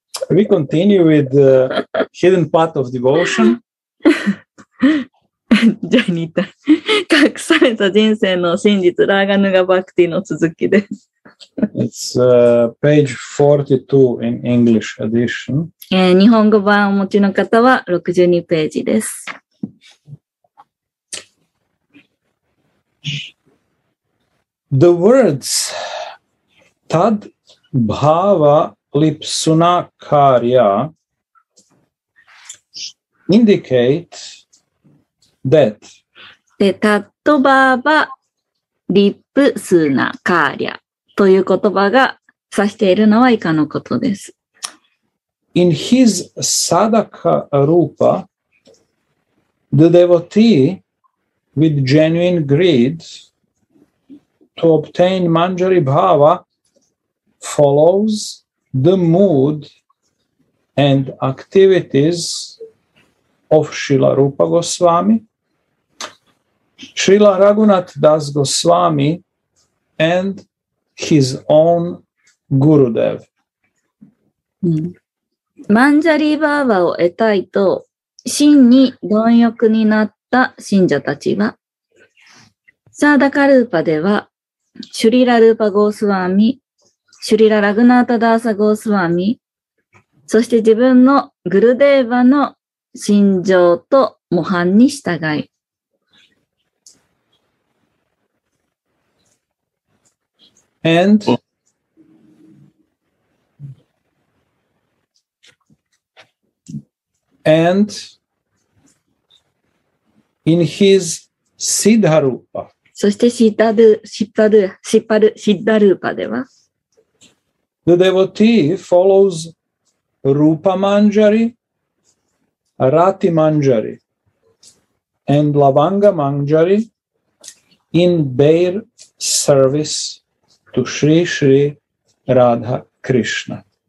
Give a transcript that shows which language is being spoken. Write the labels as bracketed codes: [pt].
[en] We continue with the hidden path of devotion. [ja] ジャニータ、隠された人生の真実、ラーガヌガバクティの続きです。 [en] It's page 42 in English edition. [ja] 日本語版をお持ちの方は62ページです。 [en] The words Tad Bhava Lipsunakarya indicate that [ja] でタットバーバリップスナカーリャという言葉が指しているのは以下のことです。 [en] In his sadaka rupa the devotee with genuine greed to obtain manjari bhava follows the mood and activities of Srila Rupa Goswami Srila Raghunath Das Goswami and his own Gurudev. [ja] マンジャリバーバを得たいと真に貪欲になった信者たちはサーダカルーパではシュリラルーパゴースワミシュリラ・ラグナータ・ダーサ・ゴースワミそして自分のグルデーバの心情と模範に従い [en] And and in his Siddharupa. [ja] そしてシッダルーパでは [en] The devotee follows Rupa Manjari, Rati Manjari, and Lavanga Manjari in their service to Sri Sri Radha Krishna.